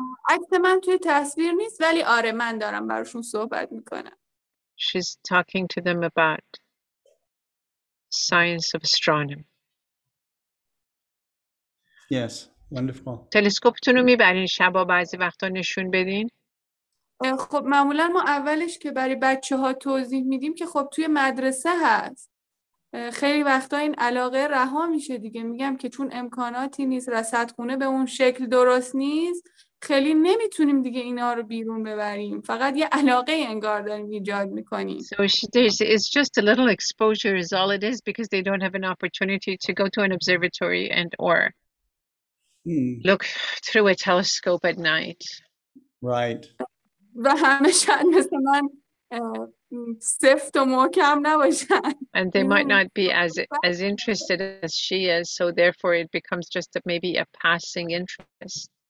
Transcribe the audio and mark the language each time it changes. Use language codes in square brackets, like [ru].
[fa] عکس من توی تصویر نیست ولی آره من دارم براشون صحبت میکنم. [en] She's talking to them about science of astronomy. Yes, wonderful. [fa] تلسکوپتون رو میبرین شبا بعضی وقتا نشون بدین؟ خب معمولا ما اولش که برای بچه ها توضیح میدیم که خب توی مدرسه هست. خیلی وقتا این علاقه رها میشه دیگه. میگم که چون امکاناتی نیست رصدخونه به اون شکل درست نیست. خیلی نمیتونیم دیگه اینا رو بیرون ببریم. فقط یه علاقه انگار داریم ایجاد میکنیم. [en] So it's just a little exposure is all it is because they don't have an opportunity to go to an observatory and or look through a telescope at night. Right. [fa] و همه شاید مثل من سفت و محکم نباشن. [en] And they might not be as interested as she is, so therefore it becomes just maybe a passing interest.